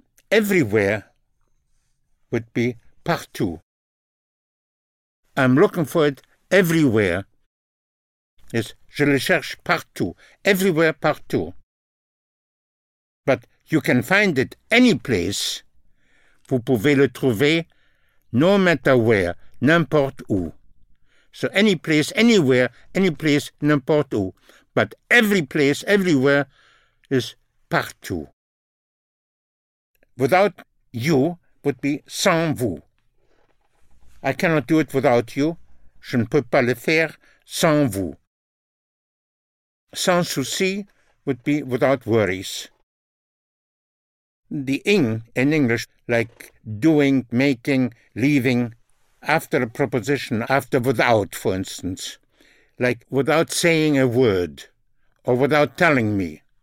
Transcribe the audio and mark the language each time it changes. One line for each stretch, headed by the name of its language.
English: Everywhere would be partout. I'm looking for it everywhere. Yes,
French: je le cherche partout.
English: Everywhere, partout. But you can find it any place.
French: Vous pouvez le trouver
English: no matter where,
French: n'importe où.
English: So any place, anywhere, any place,
French: n'importe où.
English: But every place, everywhere is partout. Without you would be
French: sans vous.
English: I cannot do it without you.
French: Je ne peux pas le faire sans vous. Sans souci
English: would be without worries. The ing in English, like doing, making, leaving, after a preposition, after without, for instance, like without saying a word or without telling me.